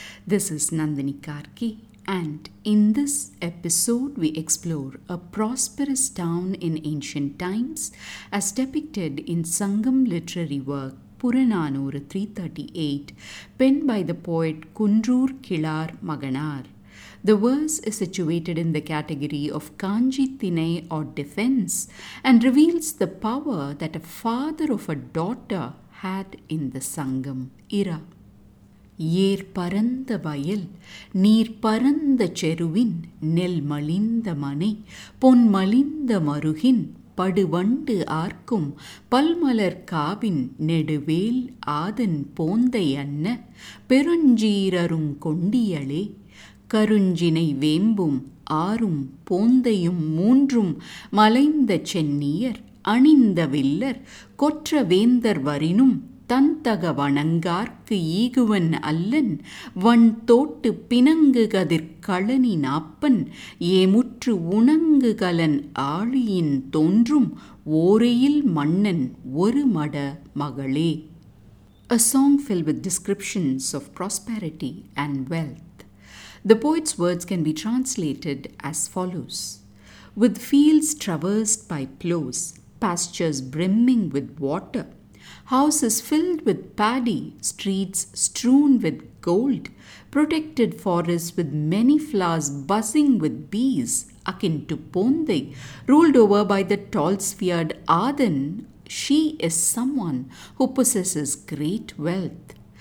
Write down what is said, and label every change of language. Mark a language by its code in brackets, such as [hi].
[en] This is Nandini Karki, and in this episode we explore a prosperous town in ancient times as depicted in Sangam literary work Puranaanooru 338, penned by the poet Kundroor Kizhaar Makanaar. The verse is situated in the category of Kaanji Thinai or defense and reveals the power that a father of a daughter had in the Sangam era. [ta] Yer paranda vayal, neer paranda cheruvin, nel malinda mane, pon malinda maruhin, paduvandu arkum, palmalar kaavin, neduvel adan pondayanna, perunjeerarum kondiyale, கருஞ்சினை வேம்பும் ஆறும் போந்தையும் மூன்றும் மலைந்த சென்னியர் அணிந்த Willer கொற்ற வேந்தர் வரினும் தந்தக வணங்கார்க்கு ஈகுவன் அல்லன் வன் தோட்டு பிணங்கு கதிர்களனி நாப்பன் ஏமுற்று உணங்கு கலன் ஆழியின் தோன்றும் ஓரையில் மன்னன் ஒரு மட மகளே. [en] A song filled with descriptions of prosperity and wealth. The poet's words can be translated as follows. With fields traversed by ploughs, pastures brimming with water, houses filled with paddy, streets strewn with gold, protected forests with many flowers buzzing with bees, akin to Pondai, ruled over by the tall-sphered Adan, she is someone who possesses great wealth.